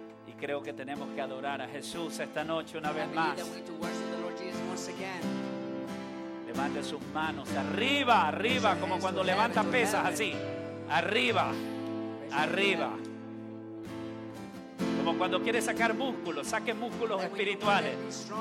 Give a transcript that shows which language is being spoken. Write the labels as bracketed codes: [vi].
[es] Y creo que tenemos que adorar a Jesús esta noche una vez más. [en] I believe that we need to worship the Lord Jesus once again. [es] Levante sus manos arriba, arriba, como cuando levanta pesas, así. Arriba, arriba. Como cuando quiere sacar músculos, saque músculos espirituales.